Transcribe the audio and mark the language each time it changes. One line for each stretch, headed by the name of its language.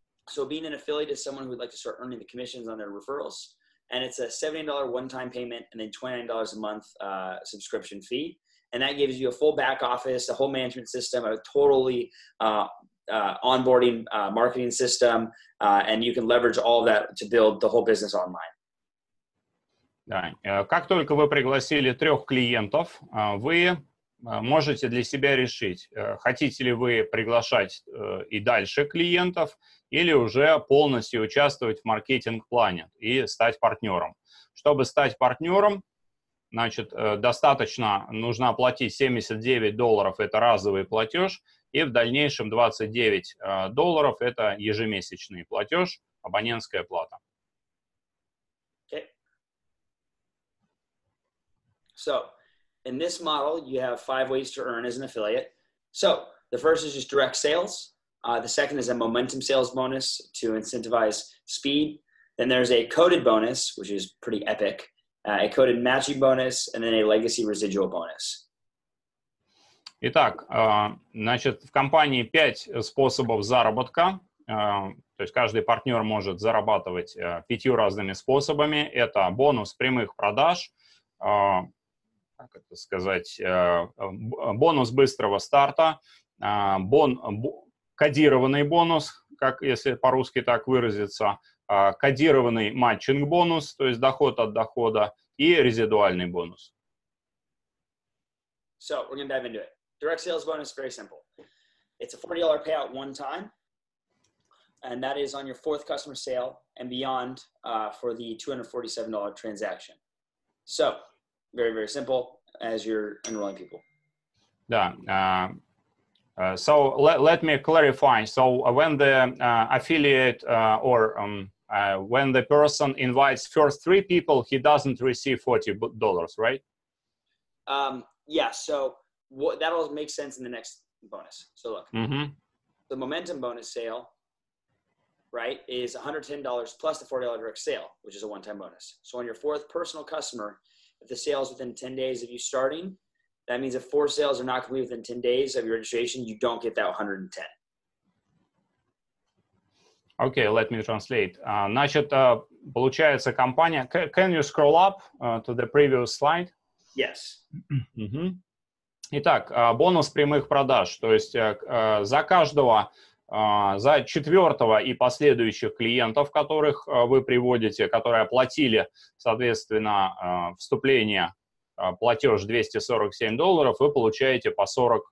English: So being an affiliate is someone who would like to start earning the commissions on their referrals, and it's a $70 one-time payment and then $29 a month subscription fee. And that gives you a full back office, a whole management system, a totally onboarding marketing system, and you can leverage all of that to build the whole business online.
Russian: Да. Как только вы пригласили трех клиентов, вы можете для себя решить, хотите ли вы приглашать и дальше клиентов, или уже полностью участвовать в маркетинг-плане и стать партнером. Чтобы стать партнером, значит, достаточно нужно оплатить $79, это разовый платеж, и в дальнейшем $29 это ежемесячный платеж, абонентская плата.
English: So, in this model, you have five ways to earn as an affiliate. So, the first is just direct sales. The second is a momentum sales bonus to incentivize speed. Then there's a coded bonus, which is pretty epic. A coded matching bonus, and then a legacy residual bonus.
Russian: Итак, значит, в компании пять способов заработка. То есть каждый партнер может зарабатывать пятью разными способами. Это бонус прямых продаж. Как это сказать, бонус быстрого старта, кодированный бонус, как если по-русски так выразиться, кодированный матчинг бонус, то есть доход от дохода, и резидуальный бонус.
English: So, we're going to dive into it. Direct sales bonus is very simple. It's a $40 payout one time, and that is on your fourth customer sale and beyond for the $247 transaction. So, very, very simple. As you're enrolling people.
Russian: Да.
English: So let me clarify. So when the affiliate when the person invites first three people, he doesn't receive $40, right? Yeah. So that'll make sense in the next bonus. So look, The momentum bonus sale, right, is $110 plus the $40 direct sale, which is a one-time bonus. So on your fourth personal customer. If the sale is within 10 days of you starting, that means if four sales are not complete within 10 days of your registration, you don't get that 110. Okay, let me translate.
Russian: Значит, получается компания...
English: Can you scroll up to the previous slide? Yes. Mm-hmm.
Russian: Итак, бонус прямых продаж. То есть за каждого, за четвертого и последующих клиентов, которых вы приводите, которые оплатили, соответственно, вступление, платеж $247, вы получаете по $40.